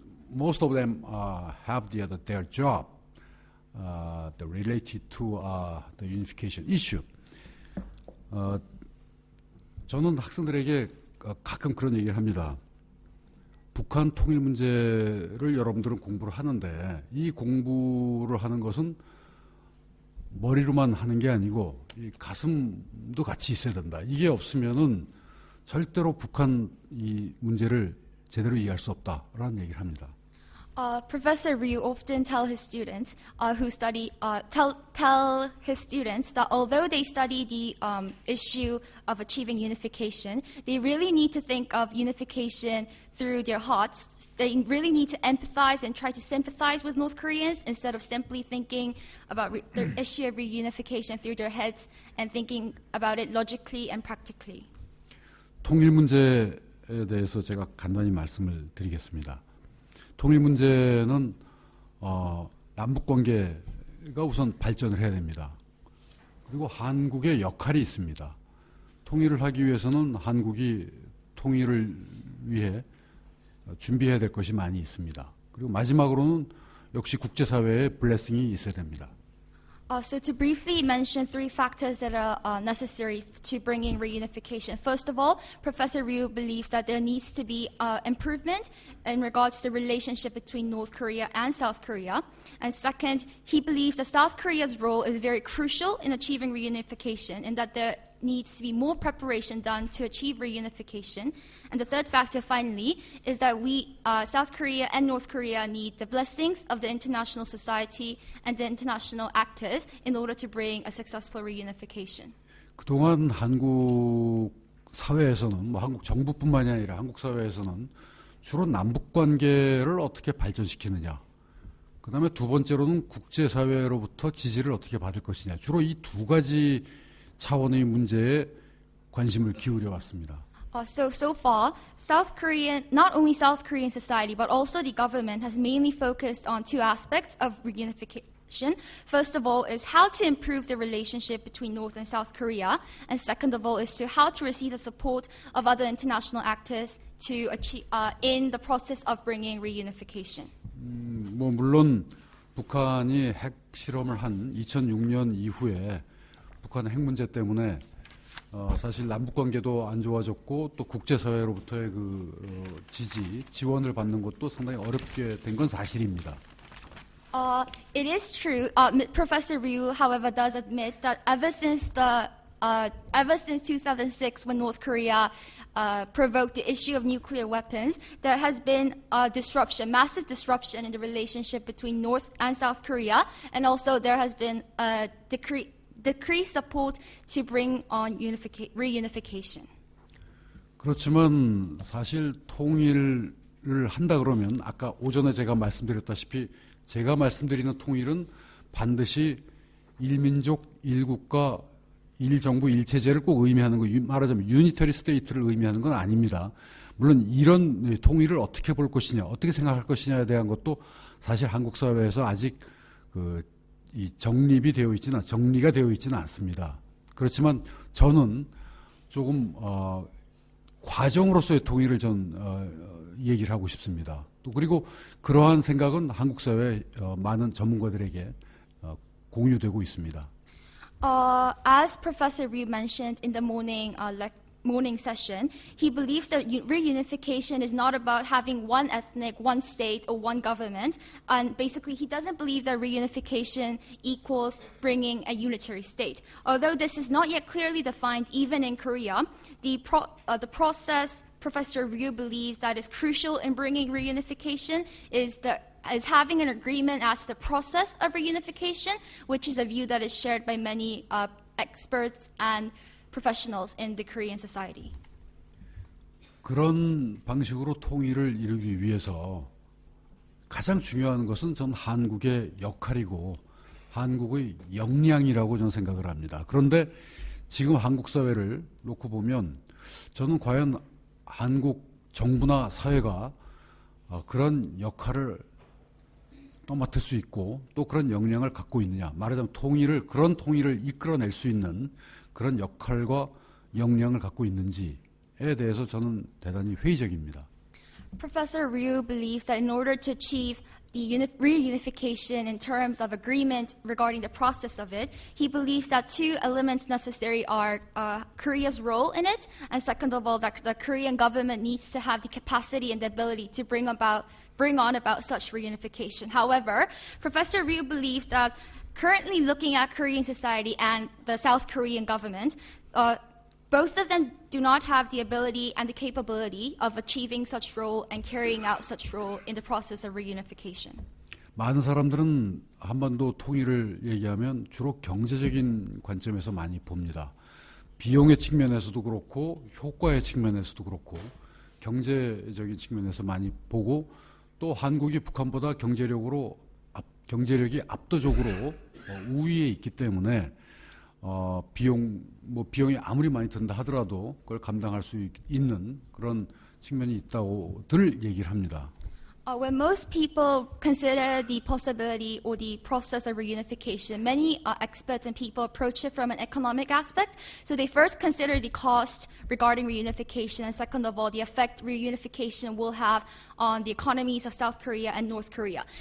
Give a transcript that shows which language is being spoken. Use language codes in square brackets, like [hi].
[en] Most of them have their job related to the unification issue. [ko] 저는 학생들에게 가끔 그런 얘기를 합니다. 북한 통일 문제를 여러분들은 공부를 하는데 이 공부를 하는 것은 머리로만 하는 게 아니고 이 가슴도 같이 있어야 된다. 이게 없으면은 절대로 북한 이 문제를 제대로 이해할 수 없다라는 얘기를 합니다. [en] Professor Ryu often tell his students who study tell his students that although they study the issue of achieving unification, they really need to think of unification through their hearts. They really need to empathize and try to sympathize with North Koreans instead of simply thinking about the issue of reunification through their heads and thinking about it logically and practically. [ko] 통일 문제에 대해서 제가 간단히 말씀을 드리겠습니다. 통일 문제는 남북관계가 우선 발전을 해야 됩니다. 그리고 한국의 역할이 있습니다. 통일을 하기 위해서는 한국이 통일을 위해 준비해야 될 것이 많이 있습니다. 그리고 마지막으로는 역시 국제사회의 블레싱이 있어야 됩니다. [en] So to briefly mention three factors that are necessary to bringing reunification. First of all, Professor Ryu believes that there needs to be improvement in regards to the relationship between North Korea and South Korea. And second, he believes that South Korea's role is very crucial in achieving reunification and that there needs to be more preparation done to achieve reunification. And the third factor, finally, is that we, South Korea and North Korea, need the blessings of the international society and the international actors in order to bring a successful reunification. [ko] 그동안 한국 사회에서는 뭐 한국 정부뿐만이 아니라 한국 사회에서는 주로 남북 관계를 어떻게 발전시키느냐, 그다음에 두 번째로는 국제 사회로부터 지지를 어떻게 받을 것이냐, 주로 이 두 가지 차원의 문제에 관심을 기울여 왔습니다. [en] So far, South Korean, not only South Korean society, but also the government has mainly focused on two aspects of reunification. First of all, is how to improve the relationship between North and South Korea, and second of all, is to how to receive the support of other international actors to achieve in the process of bringing reunification. [ko] 물론 북한이 핵 실험을 한 2006년 이후에 북한 핵 문제 때문에 사실 남북 관계도 안 좋아졌고 또 국제사회로부터의 그 지지 지원을 받는 것도 상당히 어렵게 된 건 사실입니다. [en] It is true. Professor Ryu, however, does admit that ever since 2006, when North Korea provoked the issue of nuclear weapons, there has been a disruption, massive disruption in the relationship between North and South Korea, and also there has been a decreased support to bring on reunification. [ko] 그렇지만 사실 통일을 한다 그러면 아까 오전에 제가 말씀드렸다시피 제가 말씀드리는 통일은 반드시 일민족 일국가 일정부 일체제를 꼭 의미하는 거, 말하자면 유니터리 스테이트를 의미하는 건 아닙니다. 물론 이런 통일을 어떻게 볼 것이냐, 어떻게 생각할 것이냐에 대한 것도 사실 한국 사회에서 아직 그 이 정립이 되어 있지는 정리가 되어 있지는 않습니다. 그렇지만 저는 조금 과정으로서의 통일을 전 얘기를 하고 싶습니다. 또 그리고 그러한 생각은 한국 사회 많은 전문가들에게 공유되고 있습니다. [en] As Professor Ryu mentioned in the morning session, he believes that reunification is not about having one ethnic, one state, or one government. And basically, he doesn't believe that reunification equals bringing a unitary state. Although this is not yet clearly defined, even in Korea, the process Professor Ryu believes that is crucial in bringing reunification is having an agreement as the process of reunification, which is a view that is shared by many experts and professionals in the Korean society. [ko] 그런 방식으로 통일을 이루기 위해서 가장 중요한 것은 전 한국의 역할이고 한국의 역량이라고 저는 생각을 합니다. 그런데 지금 한국 사회를 놓고 보면 저는 과연 한국 정부나 사회가 그런 역할을 또 맡을 수 있고 또 그런 역량을 갖고 있느냐. 말하자면 통일을 그런 통일을 이끌어낼 수 있는 그런 역할과 역량을 갖고 있는지에 대해서 저는 대단히 회의적입니다. [en] Professor Ryu believes that in order to achieve the reunification in terms of agreement regarding the process of it, he believes that two elements necessary are Korea's role in it, and second of all, that the Korean government needs to have the capacity and the ability to bring on about such reunification. However, Professor Ryu believes that currently looking at Korean society and the South Korean government, both of them do not have the ability and the capability of achieving such role and carrying out such role in the process of reunification. [ko] 많은 사람들은 한반도 통일을 얘기하면 주로 경제적인 관점에서 많이 봅니다. 비용의 측면에서도 그렇고 효과의 측면에서도 그렇고 경제적인 측면에서 많이 보고 또 한국이 북한보다 경제력이 압도적으로 우위에 있기 때문에 비용이 아무리 많이 든다 하더라도 그걸 감당할 수 있는 그런 측면이 있다고들 얘기를 합니다. [en] When most people consider the possibility or the process of reunification, many experts and people approach it from an economic aspect. So they first consider the cost regarding reunification, and second of all, the effect reunification will have on the economies of South Korea and North Korea.